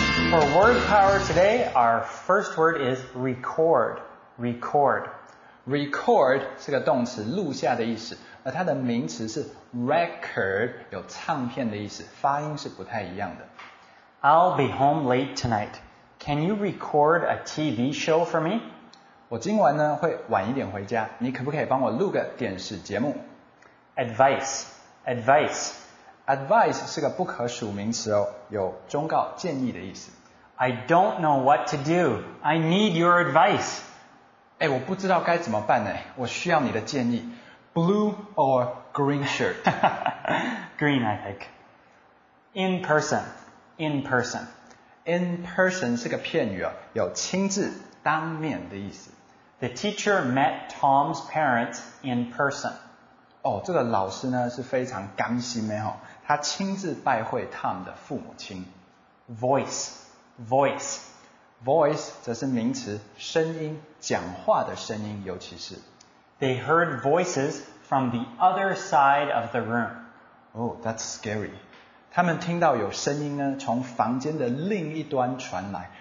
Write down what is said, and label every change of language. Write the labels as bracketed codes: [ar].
[en] For word power today, our first word is record. Record. [zh] Record 是个动词，录下的意思。而它的名词是 record, 有唱片的意思，发音是不太一样的。 [en] I'll be home late tonight. Can you record a TV show for me? [zh] 我今晚呢会晚一点回家，你可不可以帮我录个电视节目？ [en] Advice. Advice. [zh] Advice 是个不可数名词哦，有忠告、建议的意思。 [en] I don't know what to do. I need your advice. [zh] 哎，我不知道该怎么办呢，我需要你的建议。 [en] Blue or green shirt? Green, I think. In person. In person. [zh] In person 是个片语哦，有亲自、当面的意思。 [en] The teacher met Tom's parents in person. [zh] 哦，这个老师呢是非常甘心的哦，他亲自拜会 Tom 的父母亲。 [en] Voice, voice, [zh] voice 则是名词，声音，讲话的声音，尤其是。 [en] They heard voices from the other side of the room. Oh, that's scary. [zh] 他们听到有声音呢，从房间的另一端传来。